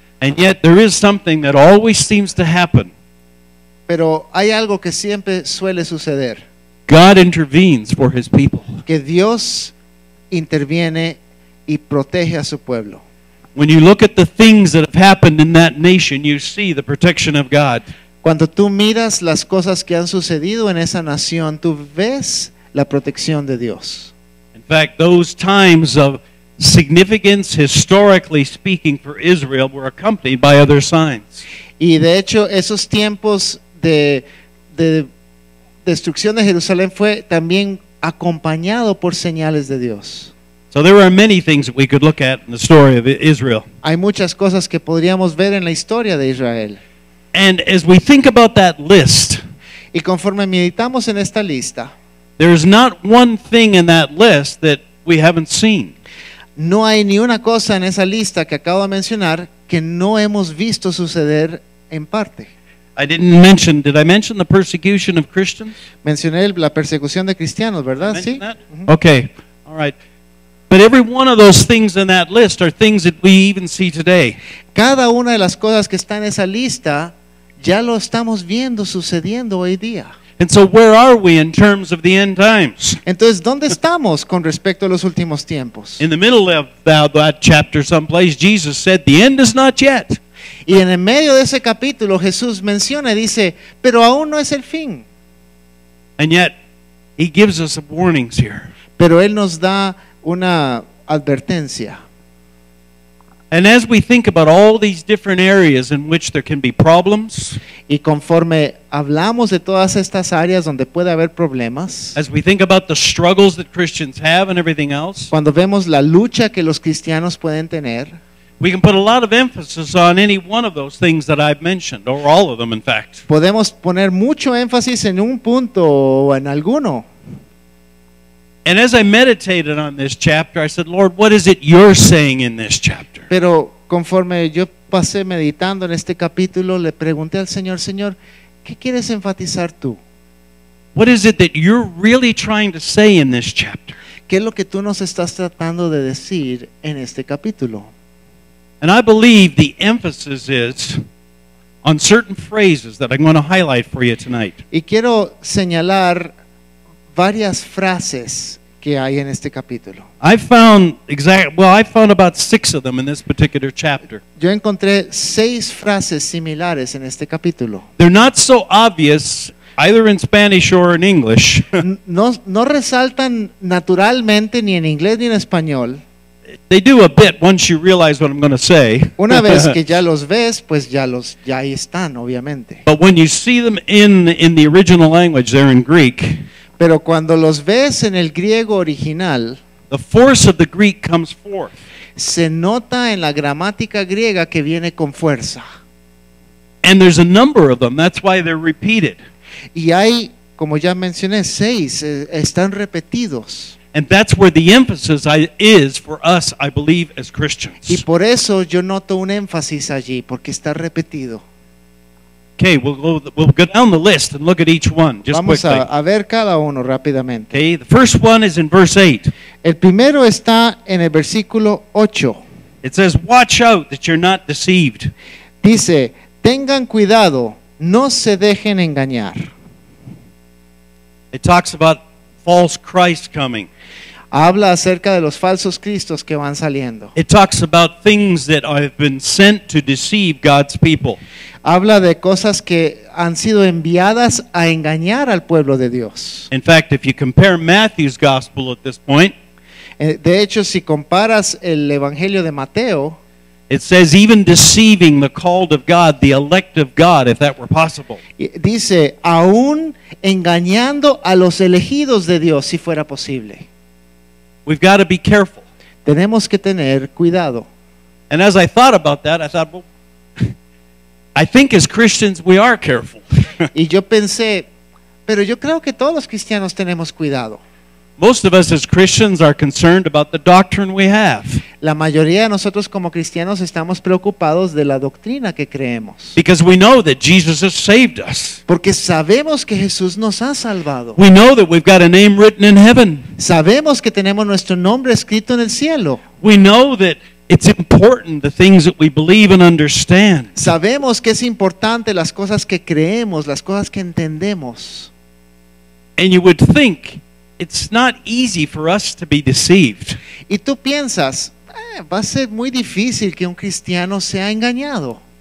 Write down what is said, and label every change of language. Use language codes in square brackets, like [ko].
[en] And yet there is something that always seems to happen. [es] Pero hay algo que siempre suele suceder. [en] God intervenes for his people. [es] Que Dios interviene y protege a su pueblo. [en] When you look at the things that have happened in that nation, you see the protection of God. [es] Cuando tú miras las cosas que han sucedido en esa nación, tú ves la protección de Dios. [en] In fact, those times of significance, historically speaking, for Israel were accompanied by other signs. [es] Y de hecho, esos tiempos de destrucción de Jerusalén fue también acompañado por señales de Dios. [en] So there are many things that we could look at in the story of Israel. [es] Hay muchas cosas que podríamos ver en la historia de Israel. [en] And as we think about that list, [es] y conforme meditamos en esta lista, [en] there is not one thing in that list that we haven't seen. [es] No hay ni una cosa en esa lista que acabo de mencionar que no hemos visto suceder en parte. [en] Did I mention the persecution of Christians? [es] Mencioné la persecución de cristianos, ¿verdad? Sí. [en] Okay. All right. But every one of those things in that list are things that we even see today. [es] Cada una de las cosas que está en esa lista ya lo estamos viendo sucediendo hoy día. [en] And so where are we in terms of the end times? [es] Entonces, ¿dónde estamos con respecto a los últimos tiempos? [en] In the middle of that chapter someplace, Jesus said, "The end is not yet." [es] Y en el medio de ese capítulo, Jesús menciona y dice, "Pero aún no es el fin." [en] And yet, he gives us warnings here. [es] Pero él nos da una advertencia. [en] And as we think about all these different areas in which there can be problems, [es] y conforme hablamos de todas estas áreas donde puede haber problemas, [en] as we think about the struggles that Christians have and everything else, [es] cuando vemos la lucha que los cristianos pueden tener, [en] we can put a lot of emphasis on any one of those things that I've mentioned, or all of them, in fact. [es] Podemos poner mucho énfasis en un punto o en alguno. [en] And as I meditated on this chapter, I said, "Lord, what is it you're saying in this chapter?" [es] Pero conforme yo pasé meditando en este capítulo, le pregunté al Señor, "Señor, ¿qué quieres enfatizar tú? [en] What is it that you're really trying to say in this chapter?" [es] ¿Qué es lo que tú nos estás tratando de decir en este capítulo? [en] And I believe the emphasis is on certain phrases that I'm going to highlight for you tonight. [es] Y quiero señalar varias frases que hay en este capítulo. [en] I found about six of them in this particular chapter. [es] Yo encontré seis frases similares en este capítulo. [en] They're not so obvious either in Spanish or in English. [es] No resaltan naturalmente ni en inglés ni en español. [en] They do a bit once you realize what I'm going to say. [es] Una vez que ya los ves, pues ya ahí están, obviamente. [en] But when you see them in the original language, they're in Greek. [es] Pero cuando los ves en el griego original, [en] the force of the Greek comes forth. [es] Se nota en la gramática griega que viene con fuerza. [en] And there's a number of them, that's why they're repeated. [es] Y hay, como ya mencioné, seis, están repetidos. [en] And that's where the emphasis is for us, I believe, as Christians. [es] Y por eso yo noto un énfasis allí, porque está repetido. [en] Okay, we'll go down the list and look at each one just quickly. [es] Vamos a ver cada uno rápidamente. [en] Okay, the first one is in verse 8. [es] El primero está en el versículo 8. [en] It says, "Watch out that you're not deceived." [es] Dice, "Tengan cuidado, no se dejen engañar." [en] It talks about false Christ coming. [es] Habla acerca de los falsos cristos que van saliendo. [en] It talks about things that have been sent to deceive God's people. [es] Habla de cosas que han sido enviadas a engañar al pueblo de Dios. [en] In fact, if you compare Matthew's gospel at this point, [es] De hecho, si comparas el Evangelio de Mateo, [en] it says even deceiving the called of God, the elect of God, if that were possible. [es] Dice, aún engañando a los elegidos de Dios, si fuera posible. [en] We've got to be careful. [es] Tenemos que tener cuidado. [en] And as I thought about that, I thought, well, I think as Christians we are careful. [es] Y yo pensé, pero yo creo que todos los cristianos tenemos cuidado. [en] Most of us as Christians are concerned about the doctrine we have. [es] La mayoría de nosotros como cristianos estamos preocupados de la doctrina que creemos. [en] Because we know that Jesus has saved us. [es] Porque sabemos que Jesús nos ha salvado. [en] We know that we've got a name written in heaven. [es] Sabemos que tenemos nuestro nombre escrito en el cielo. [en] We know that it's important the things that we believe and understand. [es] Sabemos que es importante las cosas que creemos, las cosas que entendemos. [en] And you would think it's not easy for us to be deceived. [es] Y tú piensas, va a ser muy difícil que un cristiano sea engañado.